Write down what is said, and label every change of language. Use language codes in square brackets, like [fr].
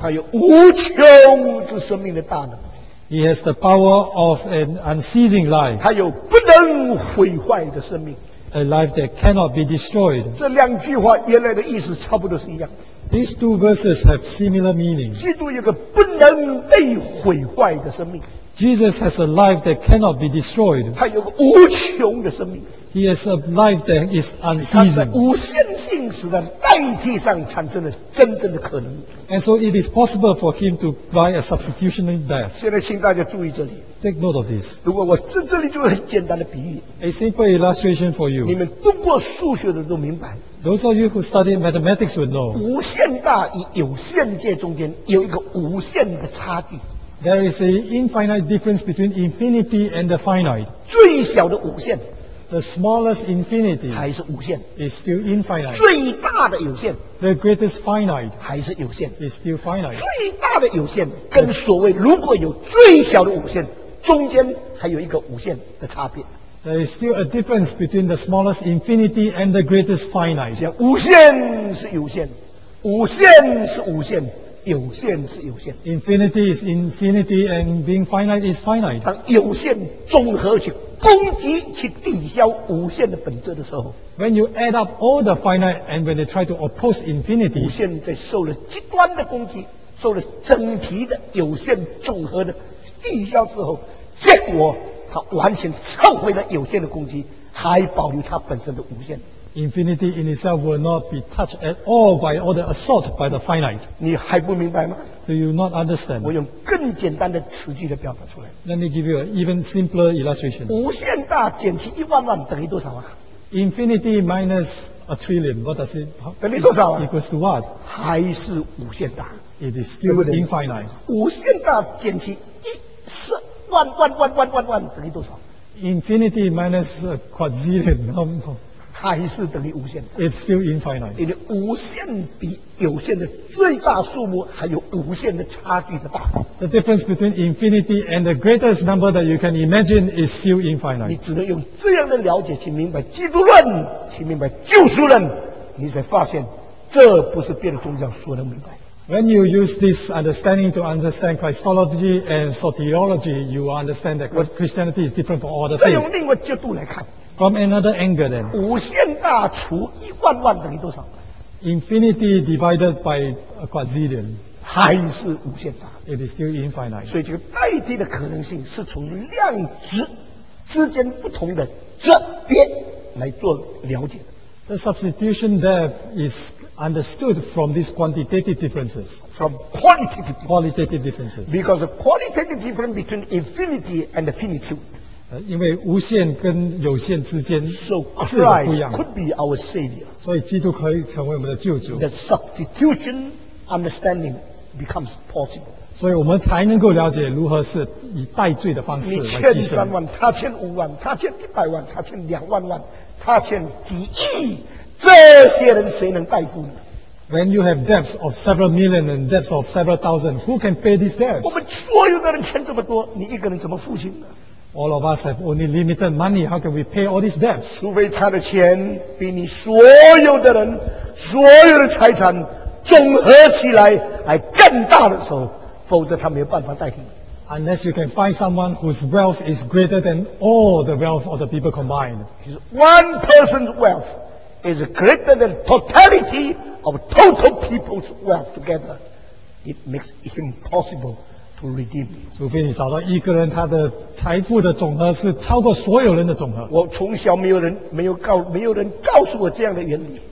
[zh] 他有无穷之生命的大能。 [en] He has the power of an unceasing life. [zh] 他有不能毁坏的生命。 [en] a life that cannot be destroyed. [zh] 这两句话原来的意思差不多是一样。 [en] These two verses have similar meaning. [zh] 基督有个不能被毁坏的生命。 [en] Jesus has a life that cannot be destroyed. [zh] 他有个无穷的生命。 [en] He has a life that is unceasing. [zh] 他在无限信使的代替上产生了真正的可能。 [en] And so it is possible for him to die a substitutionary death. [zh] 现在请大家注意这里。 [en] Take note of this. [zh] 如果我这里就很简单的比喻。 [en] A simple illustration for you. [zh] 你们读过数学的都明白。 [en] Those of you who study mathematics would know. [zh] 无限大与有限界中间有一个无限的差距。 [en] There is an infinite difference between infinity and the finite. [zh] 最小的无限。 [en] The smallest infinity [zh] 还是无限 [en] is still infinite. [zh] 最大的有限 [en] the greatest finite [zh] 还是有限 [en] is still finite. [zh] 最大的有限跟所谓如果有最小的无限中间还有一个无限的差别。 [en] There is still a difference between the smallest infinity and the greatest finite. [zh] 像无限是有限，无限是无限，有限是有限。 [en] Infinity is infinity and being finite is finite. [zh] 当有限综合起攻击去抵消无限的本质的时候 [en] When you add up all the finite and when they try to oppose infinity [zh] 无限在受了极端的攻击受了整体的有限综合的抵消之后结果它完全撤回了有限的攻击还保留它本身的无限 [en] Infinity in itself will not be touched at all by all the assaults by the finite [zh] 你还不明白吗 [en] Do you not understand? [zh] 我用更简单的词句的表达出来 [en] Let me give you an even simpler illustration [zh] 无限大减去一万万等于多少啊 [en] Infinity minus a trillion What does it [zh] 等于多少啊 [en] Equals to what? [zh] 还是无限大 [en] It is still [zh] 对不对 [en] infinite [zh] 无限大减去一十万万万万万万等于多少 [en] Infinity minus a quadzillion [zh] 还是等于无限的 [en] It's still infinite [zh] 因为无限比有限的最大数目还有无限的差距的大 [en] The difference between infinity and the greatest number that you can imagine is still infinite [zh] 你只能用这样的了解去明白基督论去明白救赎论你才发现这不是别的宗教说的明白 [en] When you use this understanding to understand Christology and soteriology, you will understand that Christianity is different from all the faiths. [zh] 再用另外角度来看。 [en] From another angle then. [zh] 无限大除一万万等于多少 [en] ?Infinity divided by a quadzillion. [zh] 还是无限大。 [en] It is still infinite. [zh] 所以这个代替的可能性是从量值之间不同的这边来做了解的。 [en] The substitution death is understood from these quantitative differences. From qualitative, qualitative differences. Because the qualitative difference between infinity and finitude. [zh] 因为无限跟有限之间是不一样。 [en] So Christ could be our savior. [zh] 所以基督可以成为我们的救主。 [en] The substitution understanding becomes possible. [zh] 所以我们才能够了解如何是以代罪的方式来牺牲。你欠三万，他欠五万，他欠一百万，他欠两万万，他欠几亿。这些人谁能代付呢 [en] When you have debts of several million and debts of several thousand, who can pay these debts? [zh] 我们所有的人欠这么多，你一个人怎么付清呢 [en] All of us have only limited money. How can we pay all these debts? [zh] 除非他的钱比你所有的人所有的财产总合起来还更大的时候，否则他没有办法代替。 [en] Unless you can find someone whose wealth is greater than all the wealth of the people combined. He's one person's wealth. Is greater than totality of total people's wealth together. It makes it impossible to redeem. [zh] 除非你找到一个人，他的财富的总和是超过所有人的总和。我从小没有人告诉我这样的原理。